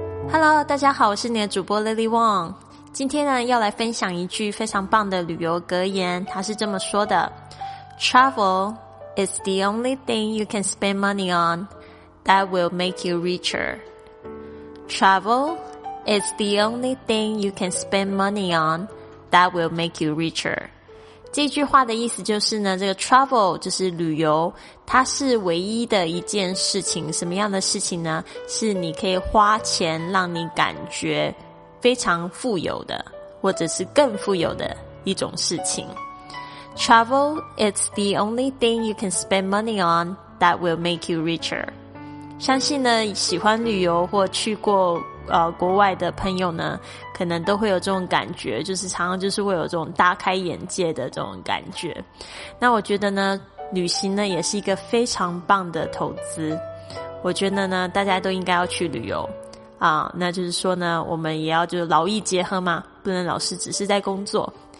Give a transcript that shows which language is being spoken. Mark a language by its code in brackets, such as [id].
[zh] Hello， 大家好，我是你的主播 Lily Wong。今天呢，要来分享一句非常棒的旅游格言，它是这么说的 [en] ：Travel is the only thing you can spend money on that will make you richer. Travel is the only thing you can spend money on that will make you richer. [zh] 这句话的意思就是呢，这个 travel 就是旅游，它是唯一的一件事情。什么样的事情呢？是你可以花钱让你感觉非常富有的，或者是更富有的一种事情。 [en] Travel is the only thing you can spend money on that will make you richer。 [zh] 相信呢，喜欢旅游或去过国外的朋友呢，可能都会有这种感觉，就是常常就是会有这种大开眼界的这种感觉。那我觉得呢，旅行呢也是一个非常棒的投资。我觉得呢，大家都应该要去旅游啊。那就是说呢，我们也要就是劳逸结合嘛，不能老是只是在工作。